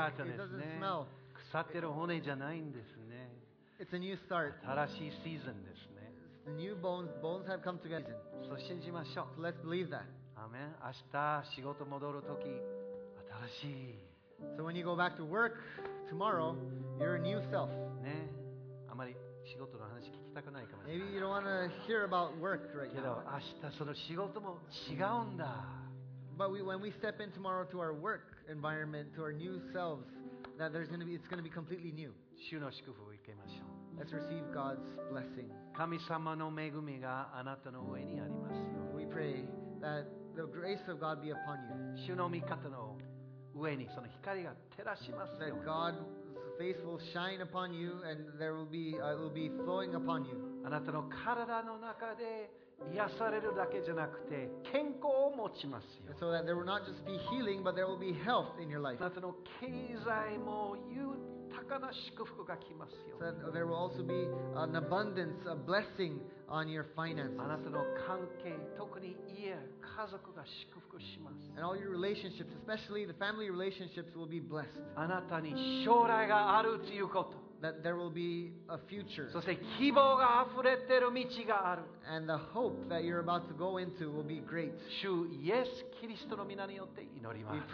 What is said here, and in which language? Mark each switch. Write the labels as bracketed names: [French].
[Japanese] 腐ってる骨じゃないんですね。 [English] It's a new start. [Japanese] 新しいシーズンですね。 [English] The new bones, bones have come together. [Japanese] そう信じましょう。 [English] So、let's believe that. [Japanese] アーメン。明日仕事戻るとき、新しい。 [English] So when you go back to work tomorrow, you're a new self. [Japanese] ね、あまり仕事の話聞きたくないかもしれない。 [English] Maybe you don't want to hear about work right now. [Japanese] けど明日その仕事も違うんだ。 [English] But we, when we step in tomorrow to our work environment, to our new selves, that there's going to be, it's going to be completely new. [Japanese] 主の祝福を受けましょう。 [English] Let's receive God's blessing. [Japanese] 神様の恵みがあなたの上にありますよ。 [English] We pray that the grace of God be upon you. [Japanese] 主の御方の上にその光が照らしますよ。 [English] That God's face will shine upon you and there will be, it will be flowing upon you. [Japanese] あなたの体の中で癒されるだけじゃなくて健康を持ちますよ。 [English] So that there will not just be healing but there will be health in your life. [Japanese] あなたの経済も豊かな祝福が来ますよ。 [English] So that there will also be an abundance, a blessing on your finances. [Japanese] あなたの関係、特に家、家族が祝福します。 [English] And all your relationships, especially the family relationships will be blessed. [Japanese] あなたに将来があるということ。 [English] That there will be a future. [Japanese] そして希望が溢れてる道がある。 [English] And the hope that you're about to go into will be great. [Japanese] 主イエス・キリストの御名によって祈ります。